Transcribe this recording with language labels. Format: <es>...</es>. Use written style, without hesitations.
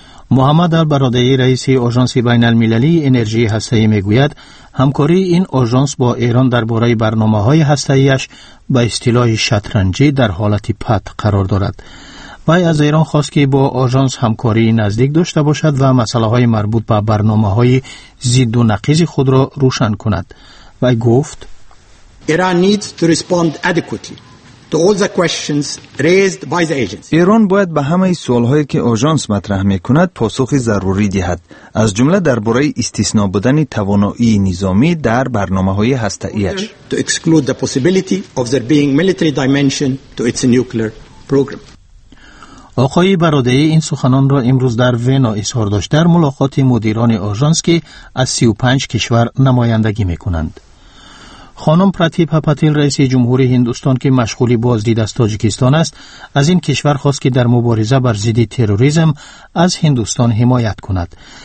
<fa>محمد البرادعی رئیس آژانس بین المللی انرژی هسته‌ای میگوید همکاری این آژانس با ایران درباره برنامه‌های هسته‌ایش به اصطلاح شطرنجی در حالت پد قرار دارد. وی از ایران خواست که با آژانس همکاری نزدیک داشته باشد و مسئله‌های مربوط به برنامه‌های ضد و نقیض خود را روشن کند. وی گفت</fa> <en>ایران needs to respond adequately to all the questions raised by the agency.</en> <fa>ایران باید به همه سوال‌هایی که آژانس مطرح می‌کند پاسخ ضروری دهد، از جمله درباره استثناء بودن توانایی نظامی در برنامه‌های هسته‌ای‌اش.</fa> <en>To exclude the possibility of there being military dimension to its nuclear program.</en> <fa>آقای برادعی این سخنان را امروز در وین اظهار داشت در ملاقات مدیران آژانس که از 35 کشور نمایندگی می‌کنند. خانم پرتیپا پاتیل رئیس جمهوری هندوستان که مشغول بازدید از تاجیکستان است، از این کشور خواست که در مبارزه بر ضد تروریسم از هندوستان حمایت کند.</fa>